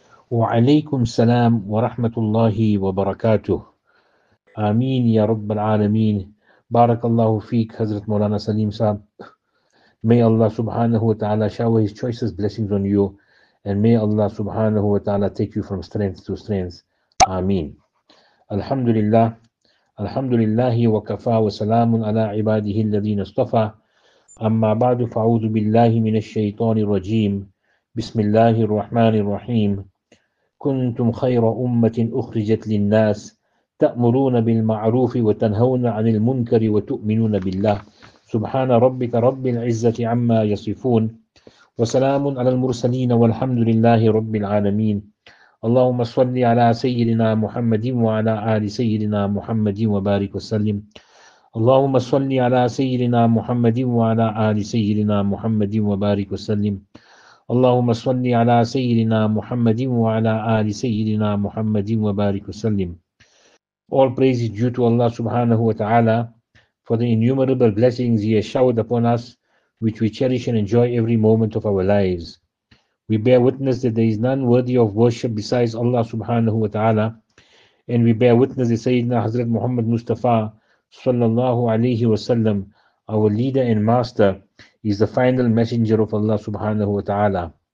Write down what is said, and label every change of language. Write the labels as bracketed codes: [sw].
[ar] وعليكم السلام ورحمة الله وبركاته. آمين يا رب العالمين. بارك الله فيك حضرت مولانا سليم صاحب. [en] May Allah subhanahu wa ta'ala shower his choicest blessings on you, and may Allah subhanahu wa ta'ala take you from strength to strength. [ar] Ameen. Alhamdulillah. Alhamdulillahi wa kafa wa salamun ala ibadihi alladhina istafa. Amma ba'du fa'udhu billahi minash shaitani rajim. Bismillahir Rahmanir Rahim. كنتم خير أمة أخرجت للناس تأمرون بالمعروف وتنهون عن المنكر وتؤمنون بالله سبحان ربك رب العزة عما يصفون وسلام على المرسلين والحمد لله رب العالمين اللهم صل على سيدنا محمد وعلى آل سيدنا محمد وبارك وسلم اللهم صل على سيدنا محمد وعلى آل سيدنا محمد وبارك وسلم اللهم صل على سيدنا محمد وعلى آل سيدنا محمد وبارك وسلم. [en] All praise is due to Allah subhanahu wa ta'ala for the innumerable blessings He has showered upon us, which we cherish and enjoy every moment of our lives. We bear witness that there is none worthy of worship besides Allah subhanahu wa ta'ala, and we bear witness that Sayyidina Hazrat Muhammad Mustafa sallallahu alayhi wa sallam, our leader and master, is the final messenger of Allah subhanahu wa ta'ala.